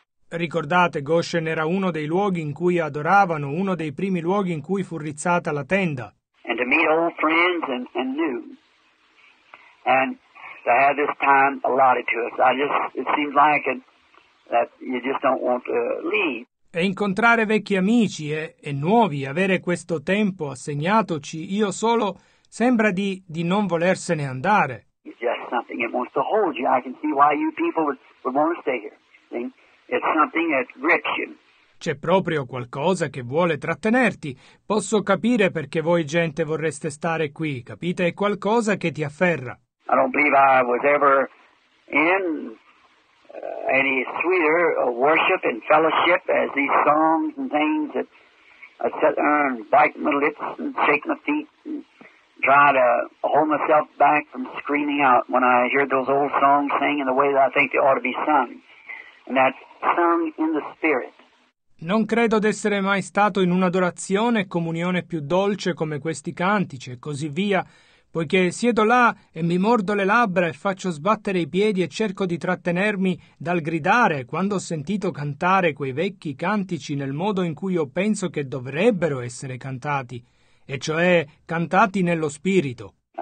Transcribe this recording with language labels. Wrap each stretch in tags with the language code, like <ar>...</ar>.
<it>Ricordate, Goshen era uno dei luoghi in cui adoravano, uno dei primi luoghi in cui fu rizzata la tenda.</it> <en>And to meet old friends and new. And to have this time allotted to us. It seems like that you just don't want to leave.</en> <it>E incontrare vecchi amici e nuovi, avere questo tempo assegnatoci, io solo sembra di non volersene andare.</it> <en>It's just something that wants to hold you. I can see why you people would want to stay here. It's something that grips you.</en> <it>C'è proprio qualcosa che vuole trattenerti. Posso capire perché voi gente vorreste stare qui, capite? È qualcosa che ti afferra.</it> <en>I don't believe I was ever in any sweeter worship and fellowship as these songs and things that I sit there and bite my lips and shake my feet and try to hold myself back from screaming out when I hear those old songs sing in the way that I think they ought to be sung. And that's sung in the spirit.</en> <it>Non credo d'essere mai stato in un'adorazione e comunione più dolce come questi cantici e così via, poiché siedo là e mi mordo le labbra e faccio sbattere i piedi e cerco di trattenermi dal gridare quando ho sentito cantare quei vecchi cantici nel modo in cui io penso che dovrebbero essere cantati, e cioè cantati nello spirito.</it>